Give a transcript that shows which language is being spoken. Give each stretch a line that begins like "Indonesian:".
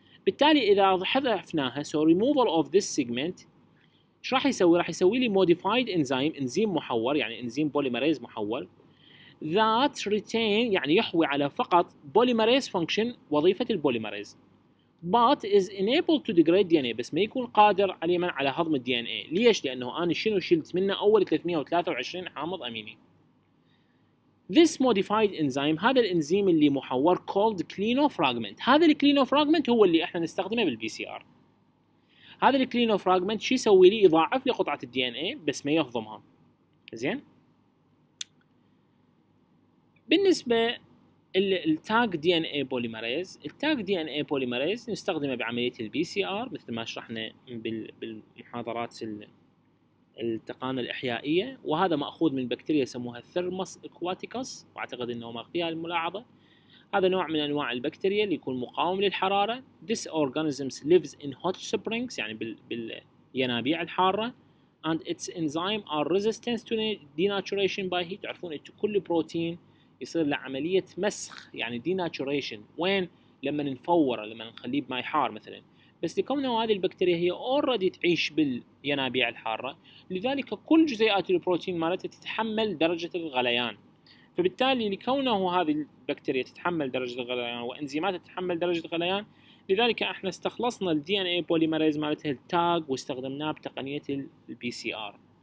Arabic: بالتالي اذا حذفناها
English: so removal of this segment
Arabic: ايش راح يسوي؟ راح يسوي لي modified enzyme انزيم محور يعني انزيم بوليمريز محور
English: that retain
Arabic: يعني يحوي على فقط بوليمريز function وظيفة البوليمريز
English: but is unable to degrade DNA
Arabic: بس ما يكون قادر عليما على هضم الـ DNA. ليش؟ لأنه أنا شنو شلت منه أول 323 حامض أميني.
English: This modified enzyme
Arabic: هذا الإنزيم اللي محور
English: called clino fragment.
Arabic: هذا clino fragment هو اللي إحنا نستخدمه بالبي سي آر. هذا clino fragment شو يسوي لي؟ يضاعف لي قطعة الـ DNA بس ما يهضمها. زين؟ بالنسبة التاج دي ان اي بوليمريز، التاج دي ان اي بوليمريز نستخدمه بعمليه البي سي ار مثل ما شرحنا بالمحاضرات التقانة الاحيائيه، وهذا ماخوذ من بكتيريا يسموها ثيرموس اكواتيكوس، واعتقد انه مقياس الملاحظه. هذا نوع من انواع البكتيريا اللي يكون مقاوم للحراره.
English: This organism lives in hot springs
Arabic: يعني بالينابيع الحاره.
English: And its enzyme are resistant to denaturation by heat.
Arabic: تعرفون انت كل بروتين يصير لعملية مسخ يعني denaturation وين لما نفوره لما نخليه بماء حار مثلا، بس لكونه هذه البكتيريا هي already تعيش بالينابيع الحارة لذلك كل جزيئات البروتين مالتها تتحمل درجة الغليان، فبالتالي لكونه هذه البكتيريا تتحمل درجة الغليان وانزيماتها تتحمل درجة الغليان لذلك احنا استخلصنا الـ DNA بوليمريز مالتها التاج واستخدمناه بتقنية الـ PCR.